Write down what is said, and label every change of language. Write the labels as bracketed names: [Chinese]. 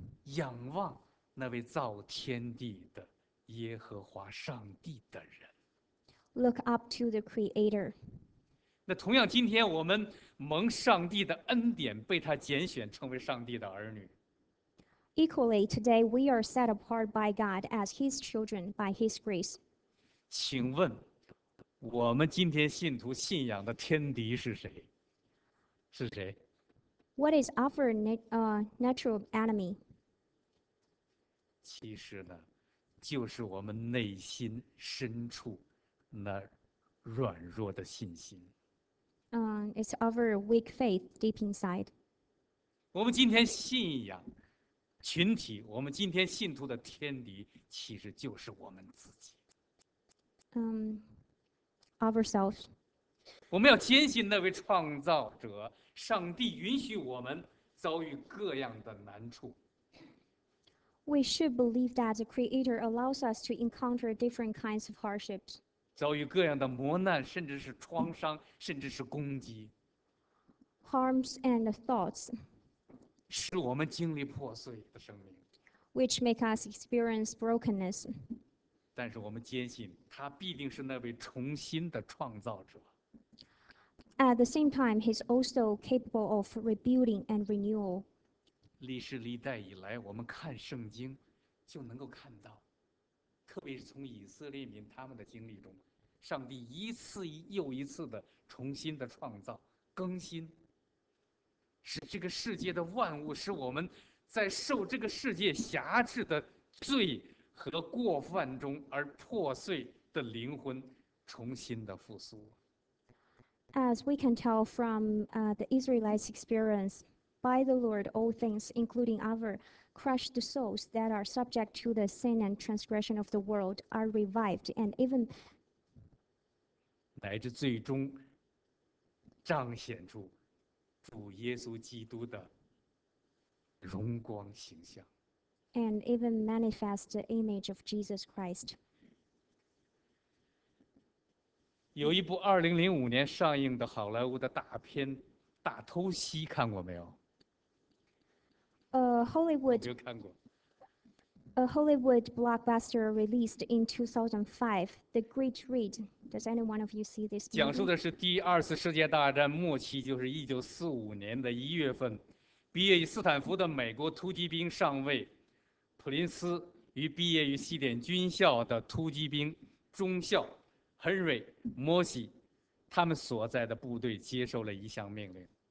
[Chinese] 仰望那位造天地的耶和华上帝的人。 [English] Look up to the Creator. [Chinese] 那同样，今天我们蒙上帝的恩典，被他拣选，成为上帝的儿女。 [English] Equally, today we are set apart by God as His children by His grace. [Chinese] 请问，我们今天信徒信仰的天敌是谁？是谁？ [English] What is our natural enemy? [Chinese] 其实呢，就是我们内心深处那软弱的信心。 [English] It's our weak faith deep inside. [Chinese] 我们今天信仰群体，我们今天信徒的天敌，其实就是我们自己。 [English] Ourselves. [Chinese] 我们要坚信那位创造者，上帝允许我们遭遇各样的难处。 [English] We should believe that the Creator allows us to encounter different kinds of hardships. [Chinese] 遭遇各样的磨难，甚至是创伤，甚至是攻击。 [English] Harms and thoughts. [Chinese] 使我们经历破碎的生命。 [English] Which make us experience brokenness. [Chinese] 但是我们坚信，他必定是那位重新的创造者。 [English] At the same time, he's also capable of rebuilding and renewal. [Chinese] 历世历代以来，我们看圣经就能够看到，特别是从以色列民他们的经历中，上帝一次又一次的重新的创造、更新，使这个世界的万物，使我们在受这个世界辖制的罪和过犯中而破碎的灵魂重新的复苏。 [English] As we can tell from the Israelites' experience, by the Lord, all things, including our crushed souls that are subject to the sin and transgression of the world, are revived and even [Chinese] 乃至最终彰显出主耶稣基督的荣光形象。 [English] and even manifest the image of Jesus Christ. [Chinese] 有一部2005年上映的好莱坞的大片《大偷袭》，看过没有？ [English] Hollywood, [Chinese] 我没有看过。 [English] a Hollywood blockbuster released in 2005, The Great Read. Does anyone of you see this [Chinese] 讲 [English] movie? [Chinese] 述的是第二次世界大战末期，就是1945年的1月份，毕业于斯坦福的美国突击兵上尉普林斯与毕业于西点军校的突击兵中校 Henry 摩西，他们所在的部队接受了一项命令。